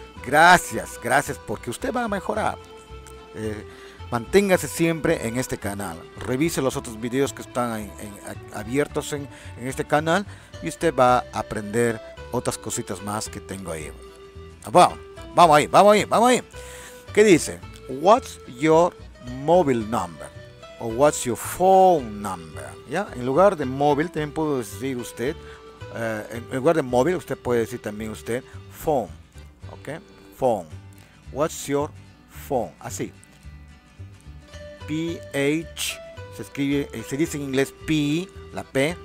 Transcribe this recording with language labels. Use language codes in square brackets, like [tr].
[es] Gracias, porque usted va a mejorar. Manténgase siempre en este canal. Revise los otros videos que están abiertos en este canal. Y usted va a aprender otras cositas más que tengo ahí. Vamos ahí. ¿Qué dice? [en] What's your mobile number? O what's your phone number? [es] ¿Ya? En lugar de móvil, también puedo decir usted. En lugar de móvil, usted puede decir también usted phone. [en] ¿Ok? Phone. What's your phone? Así. P-H. [es] Se escribe, se dice en inglés P, la P.